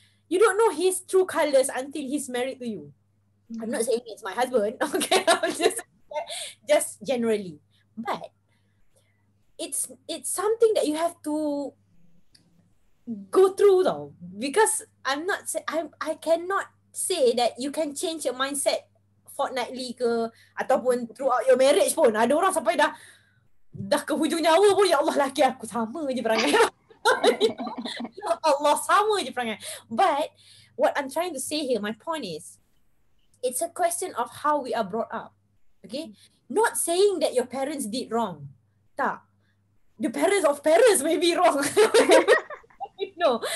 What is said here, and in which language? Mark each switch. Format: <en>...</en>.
<en>You don't know his true colours until he's married to you. I'm not saying it's my husband, okay, just generally. But it's something that you have to go through though. Because I cannot say that you can change your mindset fortnightly ke, ataupun throughout your marriage pun.</en> <ms>Ada orang sampai dah ke hujung nyawa pun, ya Allah laki aku sama je perangai. Ya Allah sama je perangai.</ms> <en>But what I'm trying to say here, my point is, it's a question of how we are brought up. Okay? Not saying that your parents did wrong. Tak. The parents of parents may be wrong. No.</en>